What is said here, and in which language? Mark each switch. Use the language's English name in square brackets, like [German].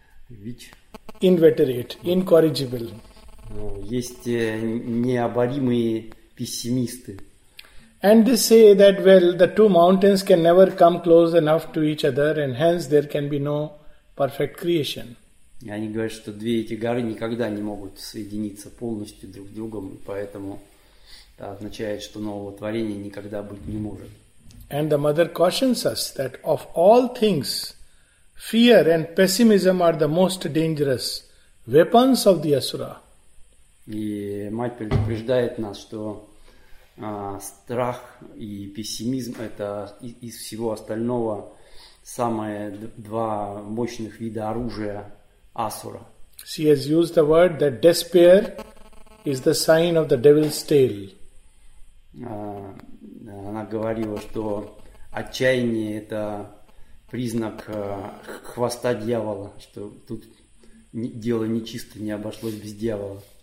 [English] Which? Inveterate, incorrigible. [Russian] Есть необоримые пессимисты. [English] And they say that, well, the two mountains can never come close enough to each other, and hence there can be no perfect creation. [Russian] И они говорят, что две эти горы никогда не могут соединиться полностью друг с другом, и поэтому это означает, что нового творения никогда быть не может. [English] And the mother cautions us that of all things, fear and pessimism are the most dangerous weapons of the asura. [Russian] И мать предупреждает нас, что страх и пессимизм – это из всего остального самые два мощных вида оружия асура. [English] She has used the word that despair is the sign of the devil's tail. [Russian] Она говорила, что отчаяние – это признак хвоста дьявола, что тут дело нечисто, не обошлось без дьявола.